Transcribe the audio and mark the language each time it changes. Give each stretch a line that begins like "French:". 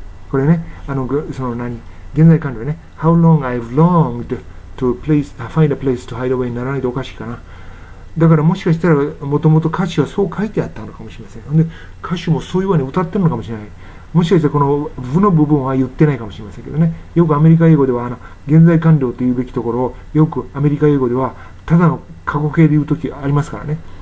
Japanese: これね、あの、その何、現在完了ね。
English: How long I've longed to place, find a place to hide away
Japanese: にならないとおかしいかな。だからもしかしたらもともと歌詞はそう書いてあったのかもしれません。で、歌詞もそういうふうに歌ってるのかもしれない。もしかしたらこの部の部分は言ってないかもしれませんけどね。よくアメリカ英語では、あの、現在完了というべきところを、よくアメリカ英語ではただの過去形で言うときありますからね。